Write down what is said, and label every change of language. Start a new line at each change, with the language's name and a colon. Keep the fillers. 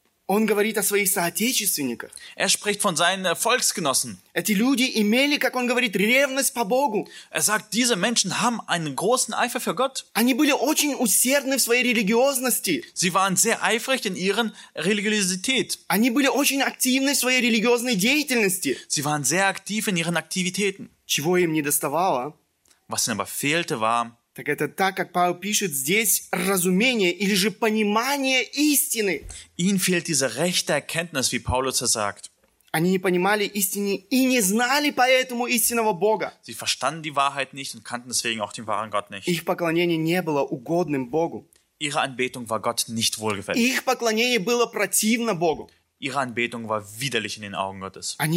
Russian: Он говорит о своих соотечественниках.
German: Er spricht von seinen Volksgenossen.
Russian: Эти люди имели, как он говорит, ревность по Богу.
German: Er sagt, diese Menschen haben einen großen Eifer für Gott.
Russian: Они были очень усердны в своей религиозности.
German: Sie waren sehr eifrig in ihren Religiosität.
Russian: Они были очень активны в своей религиозной деятельности.
German: Sie waren sehr aktiv in ihren Aktivitäten.
Russian: Чего им не доставало?
German: Was ihnen aber fehlte, war,
Russian: Так это так, как Павел пишет здесь, разумение или же понимание истины.
German: Ihnen fehlt diese rechte Erkenntnis, wie Paulus es sagt.
Russian: Они не понимали истины и не знали поэтому истинного Бога.
German: Sie verstanden die Wahrheit nicht und kannten deswegen auch den wahren Gott nicht.
Russian: Их поклонение не было угодным Богу.
German: Ihre Anbetung war Gott nicht wohlgefällig.
Russian: Их поклонение было противно Богу.
German: ihre Anbetung war widerlich in den Augen Gottes.